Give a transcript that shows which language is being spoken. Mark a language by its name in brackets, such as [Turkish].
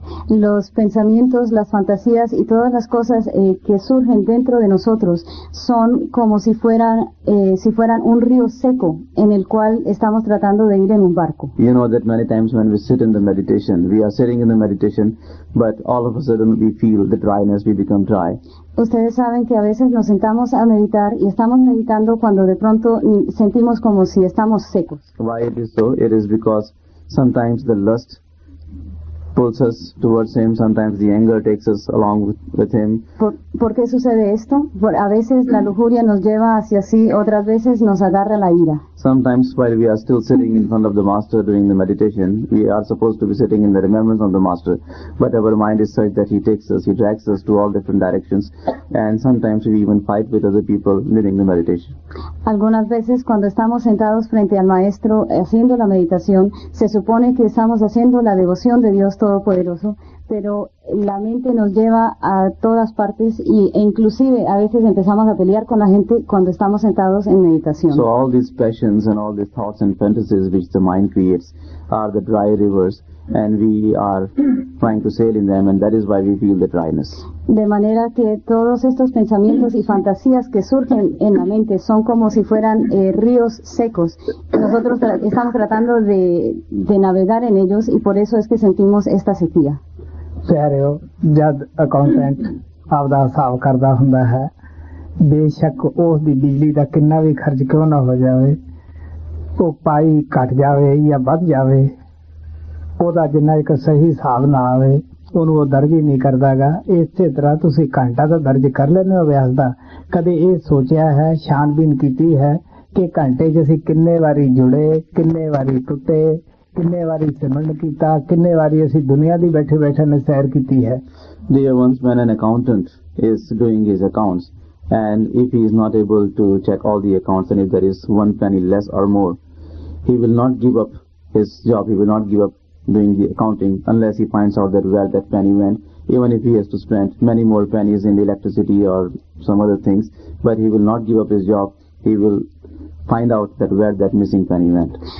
[Spanish] Los pensamientos, las fantasías y todas las cosas que surgen dentro de nosotros son como si fueran un río seco en el cual estamos tratando de ir en un barco. [English] You know that many times when we sit in the meditation, we are sitting in the meditation, but all of a sudden we feel the dryness, we become dry. [Spanish] Ustedes saben que a veces nos sentamos a meditar y estamos meditando cuando de pronto sentimos como si estamos secos. [English] Why it is so? It is because sometimes the lust pulls us towards him, sometimes the anger takes us along with him. [Spanish] ¿Por qué sucede esto? A veces la lujuria nos lleva hacia sí, otras veces nos agarra la ira. [English] Sometimes while we are still sitting in front of the master doing the meditation, we are supposed to be sitting in the remembrance of the master, but our mind is such that he takes us, he drags us to all different directions, and sometimes we even fight with other people during the meditation. [Spanish] Algunas veces cuando estamos sentados frente al maestro haciendo la meditación, se supone que estamos haciendo la devoción de Dios Todopoderoso, pero la mente nos lleva a todas partes e inclusive a veces empezamos a pelear con la gente cuando estamos sentados en meditación. [English] So all these passions and all these thoughts and fantasies which the mind creates are the dry rivers and we are trying to sail in them and that is why we feel the dryness. [Spanish] De manera que todos estos pensamientos y fantasías que surgen en la mente son como si fueran ríos secos. Nosotros estamos tratando de navegar en ellos y por eso es que sentimos esta sequía. [Punjabi] ਸਹਿਰੇ ਉਹ ਜਦ accountant ਆਪਦਾ ਹਿਸਾਬ ਕਰਦਾ ਹੁੰਦਾ ਹੈ ਬੇਸ਼ੱਕ ਉਸਦੀ ਬਿਜਲੀ ਦਾ ਕਿੰਨਾ ਵੀ ਖਰਚ ਕਿਉਂ ਨਾ ਹੋ ਜਾਵੇ ਉਹ ਪਾਈ ਘੱਟ ਜਾਵੇ ਜਾਂ ਵੱਧ ਜਾਵੇ ਉਹਦਾ ਜਿੰਨਾ ਇੱਕ ਸਹੀ ਹਿਸਾਬ ਨਾ ਆਵੇ ਉਹਨੂੰ ਉਹ ਦਰਜ ਹੀ ਨਹੀਂ ਕਰਦਾ ਗਾ ਇਸੇ ਤਰ੍ਹਾਂ ਤੁਸੀਂ ਘੰਟਾ ਤਾਂ ਦਰਜ ਕਰ ਲੈਂਦੇ ਹੋ ਵਿਆਸ ਦਾ ਕਦੇ ਇਹ ਸੋਚਿਆ ਹੈ ਛਾਣਬੀਨ ਕੀਤੀ ਹੈ ਕਿ ਘੰਟੇ 'ਚ ਅਸੀਂ ਕਿੰਨੇ ਵਾਰੀ ਜੁੜੇ ਕਿੰਨੇ ਵਾਰੀ ਟੁੱਟੇ ਕਿੰਨੇ ਵਾਰੀ ਸਿਮਰਨ ਕੀਤਾ ਕਿੰਨੇ ਵਾਰੀ ਅਸੀਂ ਦੁਨੀਆ ਦੀ ਬੈਠੇ ਬੈਠੇ ਨੇ ਸੈਰ ਕੀਤੀ ਹੈ [English] Dear ones, when an accountant is doing his accounts and if he is not able to check all the accounts and if there is one penny less or more he will not give up his job he will not give up doing the accounting unless he finds out that where that penny went even if he has to spend many more pennies in electricity or some other things but he will not give up his job he will find out that where that missing penny went.